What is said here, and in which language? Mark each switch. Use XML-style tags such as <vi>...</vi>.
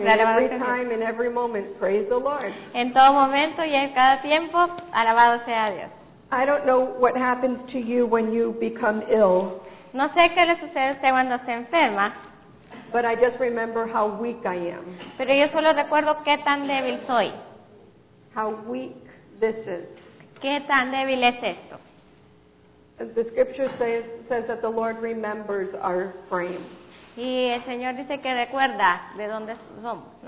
<en>Every time, in every moment, praise the Lord.</en> <es>En todo momento y en cada tiempo, alabado sea Dios.</es> <en>I don't know what happens to you when you become ill.</en> <es>No sé qué le sucede a usted cuando se enferma.</es> <en>But I just remember how weak I am.</en> <es>Pero yo solo recuerdo qué tan débil soy.</es> <en>How weak this is.</en> <es>Qué tan débil es esto.</es> <en>The scripture says that the Lord remembers our frame.</en> <es>Y el Señor dice que recuerda de dónde somos.</es>